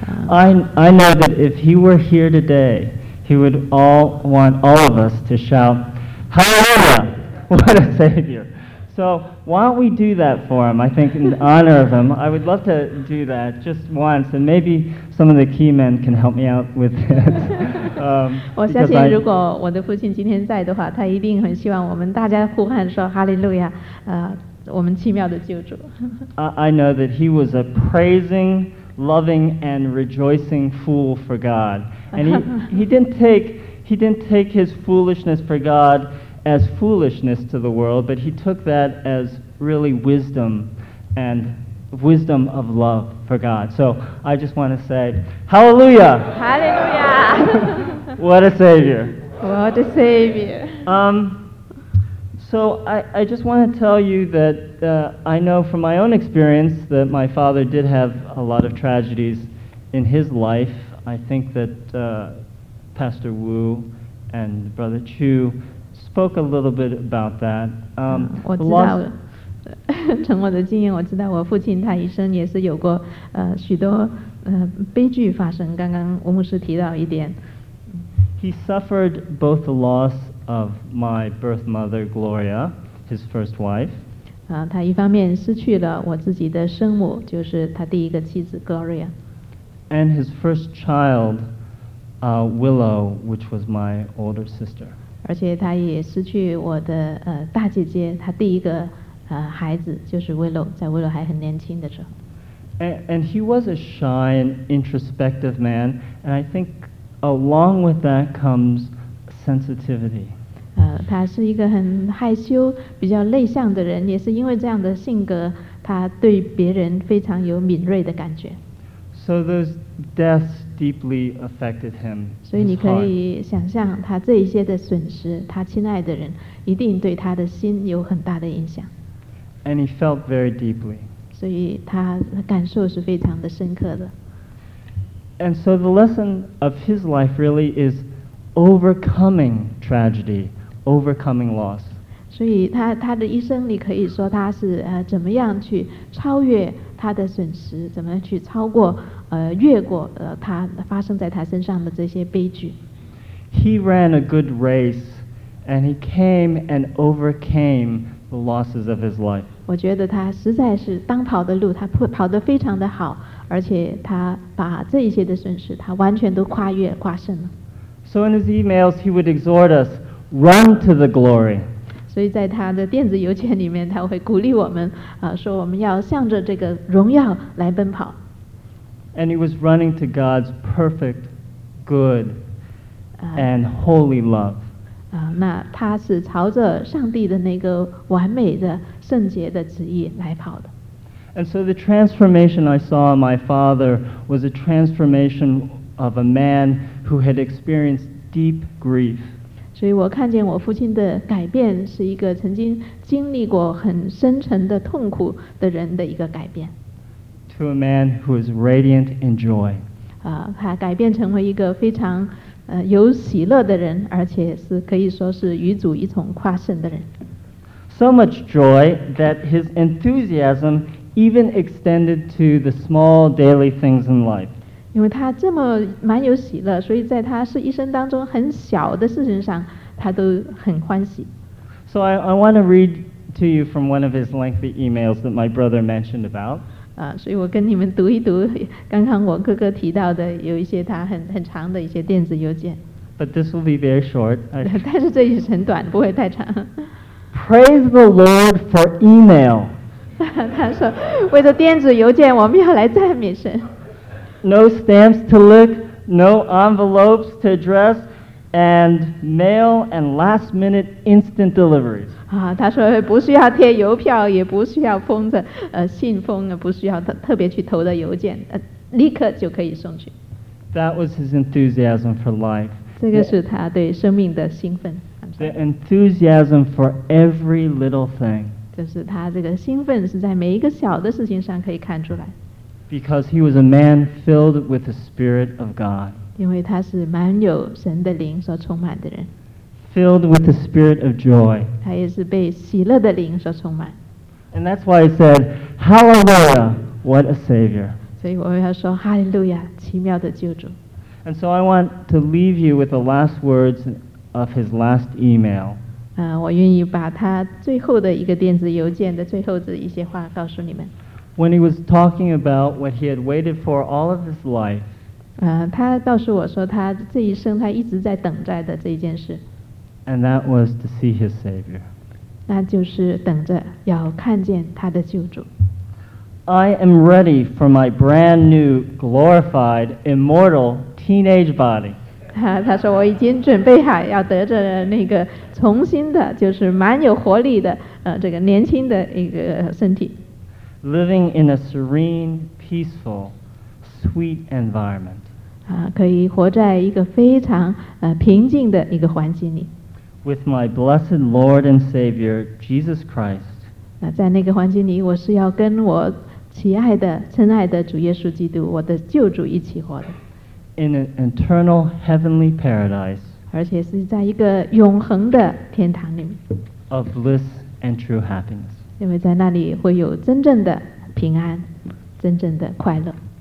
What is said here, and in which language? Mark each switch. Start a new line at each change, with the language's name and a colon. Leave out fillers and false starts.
English: I know that if he were here today, he would all want all of us to shout, Hallelujah! What a savior! So why don't we do that for him? I think in honor of him, I would love to do that just once, and maybe some of the key men can help me out with it.
Chinese: 我相信如果我的父亲今天在的话，他一定很希望我们大家呼喊说哈利路亚，我们奇妙的救主。
English: I know that he was a praising, loving, and rejoicing fool for God, and he didn't take his foolishness for God as foolishness to the world, but he took that as really wisdom and wisdom of love for God. So I just want to say, Hallelujah! Hallelujah! What a savior! What a savior! So I just want to tell you that I know from my own experience that my father did have a lot of tragedies in his life. I think that Pastor Wu and Brother Chu spoke a little bit about that.
Chinese: 我知道，从我的经验，我知道我父亲他一生也是有过许多悲剧发生。刚刚吴牧师提到一点。
English: He suffered both the loss of my birth mother Gloria, his first wife.
Chinese: 他一方面失去了我自己的生母，就是他第一个妻子 Gloria.
English: And his first child, Willow, which was my older sister.
Chinese: 而且他也失去我的大姐姐，他第一个孩子就是 Willow， 在 Willow 还很年轻的时候。
English: And he was a shy and introspective man, and I think along with that comes sensitivity.
Chinese: 他是一个很害羞、比较内向的人，也是因为这样的性格，他对别人非常有敏锐的感觉。
English: So those deaths deeply affected him.
Chinese: 所以你可以想象他这一些的损失，他亲爱的人一定对他的心有很大的影响。
English: And he felt very deeply.
Chinese: 所以他感受是非常的深刻的。
English: And so the lesson of his life really is overcoming tragedy, overcoming loss.
Chinese: 所以他的一生，你可以说他是怎么样去超越。他的损失，怎么去超过越过他发生在他身上的这些悲剧。
English: He ran a good race, and he came and overcame the losses of his life.
Chinese: 我觉得他实在是当跑的路，他跑得非常的好，而且他把这一些的损失，他完全都跨越跨胜了。
English: So in his emails, he would exhort us, run to the glory.
Chinese: 所以在他的电子邮件里面，他会鼓励我们，说我们要向着这个荣耀来奔跑。
English: And he was running to God's perfect, good. And holy love.
Chinese: 那他是朝着上帝的那个完美的圣洁的旨意来跑的。
English: And so the transformation I saw in my father was a transformation of a man who had experienced deep grief.
Chinese: 所以我看见我父亲的改变是一个曾经经历过很深沉的痛苦的人的一个改变。
English: To a man who is radiant in joy.
Chinese: 他改变成为一个非常有喜乐的人，而且是可以说是与主一同跨胜的人。
English: So much joy that his enthusiasm even extended to the small daily things in life.
Chinese: 因为他这么蛮有喜乐，所以在他是一生当中很小的事情上，他都很欢喜。
English: So I want to read to you from one of his lengthy emails that my brother mentioned about.
Chinese: 所以我跟你们读一读刚刚我哥哥提到的有一些他很长的一些电子邮件。
English: But this will be very short.
Chinese: 但是这也很短，不会太长。
English: Praise the Lord for email.
Chinese: 他说为了电子邮件我们要来赞美神。
English: No stamps to lick, no envelopes to address, and mail and last minute instant deliveries.
Chinese: 他说不需要贴邮票，也不需要封着信封，不需要特别去投的邮件，立刻就可以送去。
English: That was his enthusiasm for life.
Chinese: 这个是他对生命的兴奋。
English: The enthusiasm for every little thing.
Chinese: 就是他这个兴奋是在每一个小的事情上可以看出来。
English: Because he was a man filled with the Spirit of God.
Chinese: 因为他是满有神的灵所充满的人。
English: Filled with the spirit of joy.
Chinese: 他也是被喜乐的灵所充满。
English: And that's why he said, Hallelujah, what a savior.
Chinese: 所以我要说 Hallelujah, 奇妙的救主。
English: And so I want to leave you with the last words of his last email.
Chinese: 我愿意把他最后的一个电子邮件的最后的一些话告诉你们。
English: When he was talking about what he had waited for all of his life.
Chinese: 他告诉我说他这一生他一直在等待的这一件事。
English: And that was to see his Savior.
Chinese: 那就是等着要看见他的救主。
English: I am ready for my brand new, glorified, immortal teenage body.
Chinese: 他说我已经准备好要得着那个重新的，就是蛮有活力的，这个年轻的一个身体。
English: Living in a serene, peaceful, sweet environment.
Chinese: 可以活在一个非常平静的一个环境里。
English: With my blessed Lord and Savior, Jesus Christ.
Chinese: 在那个环境里，我是要跟我喜爱的、亲爱的主耶稣基督，我的救主一起活的。
English: In an eternal heavenly paradise.
Chinese: 而且是在一个永恒的天堂里面。
English: Of bliss and true happiness.
Chinese: 因为在那里会有真正的平安，真正的快乐。